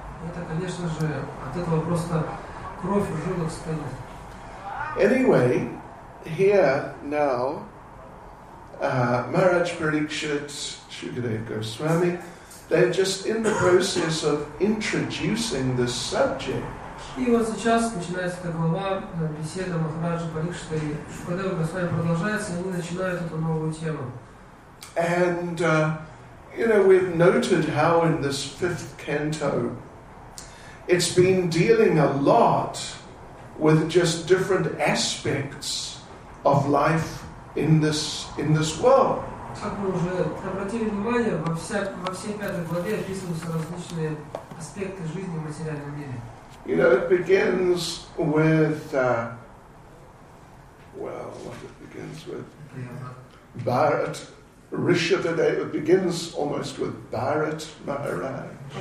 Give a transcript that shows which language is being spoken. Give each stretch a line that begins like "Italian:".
Russian: Это, конечно же, от этого просто кровь в жилах стоит.
English: Anyway, here now, Maharaj Parikshit, Shukadev Goswami, they're just in the process of introducing the subject.
Russian: И вот сейчас начинается эта глава, беседа Махараджа Парикшита и Шукадева Госвами продолжается, и они начинают эту новую тему.
English: And, you know, we've noted how in this fifth canto it's been dealing a lot with just different aspects of life in this world.
Russian: Как мы уже обратили внимание, во всей пятой главе описываются различные аспекты жизни в материальном мире.
English: You know, it begins with, what it begins with? Bharat. Rishabhadeva begins almost with Bharat Maharaj.